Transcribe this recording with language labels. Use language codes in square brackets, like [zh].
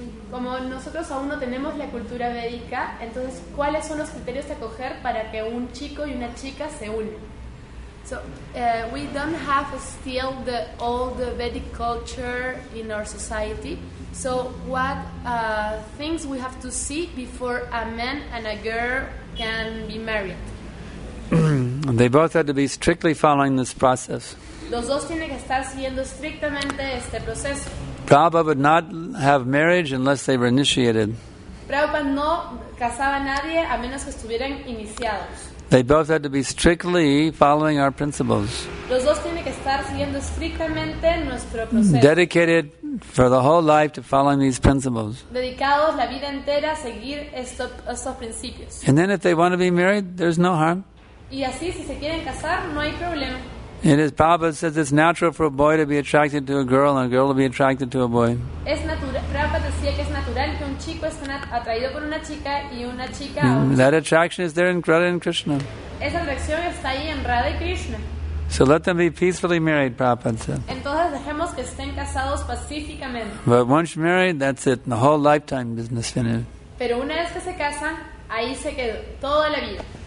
[es] Como nosotros aún no tenemos la cultura védica, entonces, ¿cuáles son los criterios de acoger para que un chico y una chica se unan? [en] So, we don't have still the old Vedic culture in our society. So, what things we have to see before a man and a girl can be married? They both have to be strictly following this process. [es] Los dos tienen que estar siguiendo estrictamente este proceso. [en] Prabhupada would not have marriage unless they were initiated. [es] Prabhupada no casaba a nadie a menos que estuvieran iniciados. [en] They both had to be strictly following our principles. [es] Los dos tienen que estar siguiendo estrictamente nuestro proceso. [en] Dedicated for the whole life to following these principles. [es] Dedicados la vida entera a seguir estos principios. [en] And then if they want to be married, there's no harm. [es] Y así, si se quieren casar, no hay problema. [en] It is, Prabhupada says it's natural for a boy to be attracted to a girl and a girl to be attracted to a boy. [es] Prabhupada decía que es natural que un chico esté atraído por una chica y una chica. [en] That attraction is there in Radha and Krishna. [es] Esa atracción está ahí en Radha y Krishna. [en] So let them be peacefully married, Prabhupada said. [es] Entonces dejemos que estén casados pacíficamente. [en] But once married, that's it. The whole lifetime business finished. [es] Pero una vez que se casan, ahí se quedó toda la vida.